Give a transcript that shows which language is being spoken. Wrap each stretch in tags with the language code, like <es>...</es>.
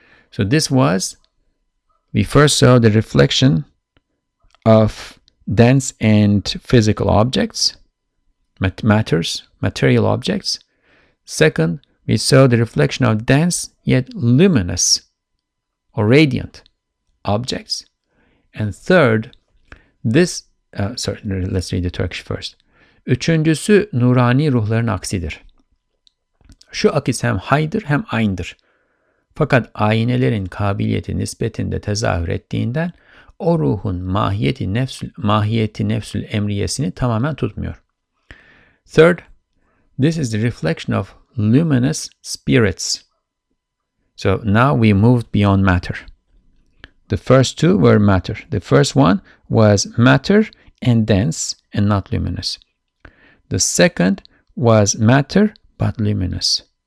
<en>So this was, we first saw the reflection of dense and physical objects, material objects. Second, we saw the reflection of dense yet luminous or radiant objects. And third, let's read the Turkish first.</en> <tr>Üçüncüsü nurani ruhların aksidir. Şu akis hem haydır hem ayndır. Fakat aynelerin kabiliyeti nispetinde tezahür ettiğinden o ruhun mahiyeti nefsül emriyesini tamamen tutmuyor.</tr> <en>Third, this is the reflection of luminous spirits. So now we moved beyond matter. The first two were matter. The first one was matter and dense and not luminous. The second was matter but luminous.</en>